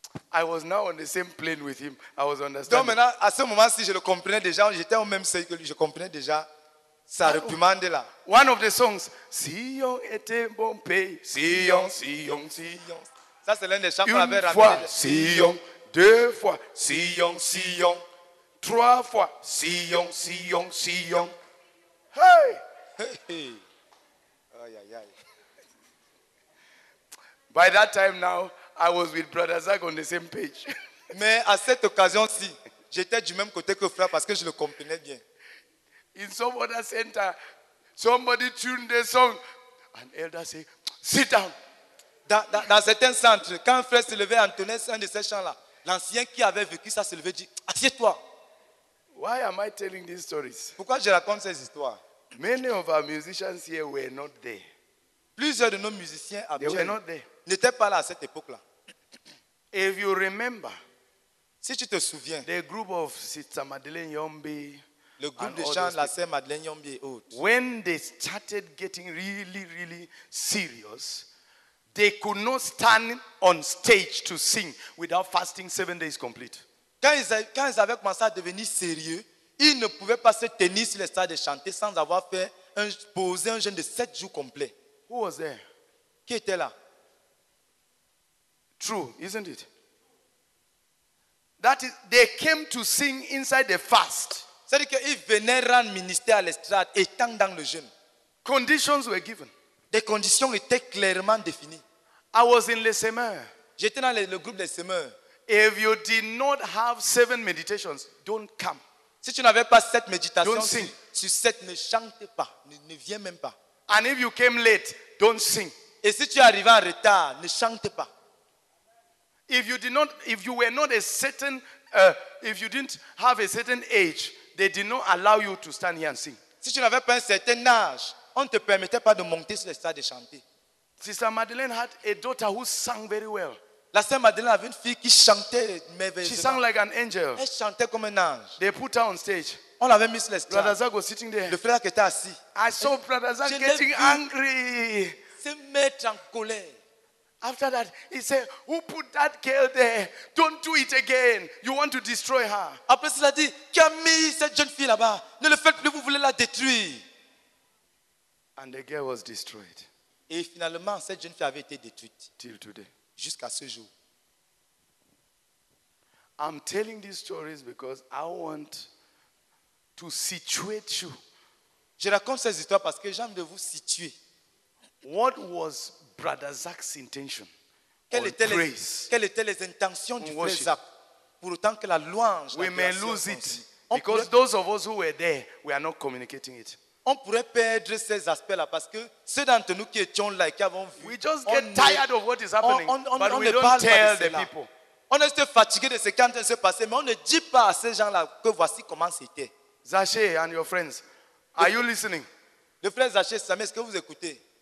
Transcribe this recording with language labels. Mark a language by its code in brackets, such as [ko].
[en] I was now on the same plane with him. I was understanding. [fr] Donc maintenant, à ce moment-ci, je le comprenais déjà. J'étais au même seuil que lui. Je comprenais déjà sa réprimande là. [en] One of the songs. [fr] Sion était bon pays. Sion, Sion, Sion. Ça, c'est l'un des chants qu'on avait rappelé. Une fois, Sion. Deux fois, Sion, Sion. Trois fois, Sion, Sion, Sion. Hey! Hey, hey. Aïe, aïe, aïe. [en] By that time now, I was with Brother Zach on the same page. [fr] Mais à cette occasion-ci, j'étais du même côté que frère parce que je le comprenais bien. [en] In some other center, somebody tuned the song. An elder said, sit down. [fr] Dans certains centres, quand frère se levait, entonnait un de ces chants-là, l'ancien qui avait vécu ça se levait et dit, assieds-toi. [en] Why am I telling these stories? [fr] Pourquoi je raconte ces histoires? [en] Many of our musicians here were not there. [fr] Plusieurs de nos musiciens [en] they were not there. [fr] N'étaient pas là à cette époque-là. [en] If you remember, [fr] si tu te souviens, [en] the group of Sister Madeleine Yombi, [fr] le groupe de chants la Sœur Madeleine Yombi et autres, [en] when they started getting really, really serious, they could not stand on stage to sing without fasting 7 days complete. [fr] Quand ils avaient commencé à devenir sérieux, ils ne pouvaient pas se tenir sur les stades de chanter sans avoir fait poser un jeûne de 7 jours complets. [en] Who was there? [fr] Qui était là? [en] True, isn't it? That is, they came to sing inside the fast. [fr] C'est-à-dire qu'ils venaient rendre ministère à l'estrade étant dans le jeûne. [en] Conditions were given. [fr] Des conditions étaient clairement définies. [en] I was in les semeurs. [fr] J'étais dans le groupe des semeurs. [en] If you did not have 7 meditations, don't come. [fr] Si tu n'avais pas 7 méditations, [en] don't sing. [fr] Sur 7, ne chante pas, ne viens même pas. [en] And if you came late, don't sing. [fr] Et si tu arrives en retard, ne chante pas. [en] If you didn't have a certain age, they did not allow you to stand here and sing. [fr] Si tu n'avais pas un certain âge, on ne te permettait pas de monter sur le stade et chanter. [en] Sister Madeleine had a daughter who sang very well. [fr] La Sœur Madeleine avait une fille qui chantait merveilleusement. [en] She sang like an angel. [fr] Elle chantait comme un ange. [en] They put her on stage. [fr] On l'avait mis sur le stade. [en] Brother Zach was sitting there. [fr] Le frère qui était assis. [en] I saw Brother Zach getting angry. [fr] Se mettre en colère. [en] After that, he said, who put that girl there? Don't do it again. You want to destroy her. [fr] Après cela dit, qui a mis cette jeune fille là-bas? Ne le faites plus, vous voulez la détruire. [en] And the girl was destroyed. [fr] Et finalement, cette jeune fille avait été détruite. [en] Till today. [fr] Jusqu'à ce jour. [en] I'm telling these stories because I want to situate you. [fr] Je raconte ces histoires parce que j'ai envie de vous situer. [en] What was Brother Zach's intention? [fr] Quelles étaient les intentions du frère Zach? Pour autant que la louange. [en] We may lose it because those of us who were there, we are not communicating it. [fr] On pourrait perdre ces aspects-là parce que ceux d'entre nous qui étions là et qui avons vu, [en] we just get tired of what is happening, but we don't tell the people. [fr] On est fatigué de ce qui est en train de se passer, mais on ne dit pas à ces gens-là que voici comment c'était. [en] Zaché and your friends, are you listening? [fr] Le frère Zaché, Samy, est-ce que vous écoutez?